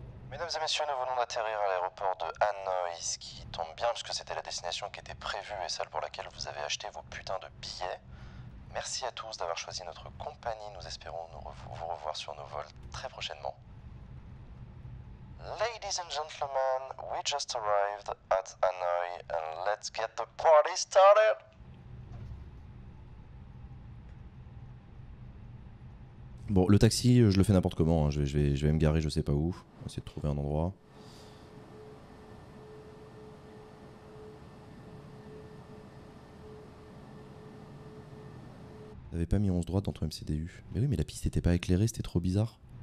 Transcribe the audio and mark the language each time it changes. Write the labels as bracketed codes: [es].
[fr] Mesdames et messieurs, nous venons d'atterrir à l'aéroport de Hanoï, ce qui tombe bien puisque c'était la destination qui était prévue et celle pour laquelle vous avez acheté vos putains de billets. Merci à tous d'avoir choisi notre compagnie, nous espérons vous revoir sur nos vols très prochainement. [en] Ladies and gentlemen, we just arrived at Hanoï and let's get the party started! [fr] Bon, le taxi, je le fais n'importe comment, hein. Je vais me garer je sais pas où. Essayer de trouver un endroit. Il n'avait pas mis 11 droites dans ton MCDU. Mais oui, mais la piste n'était pas éclairée, c'était trop bizarre.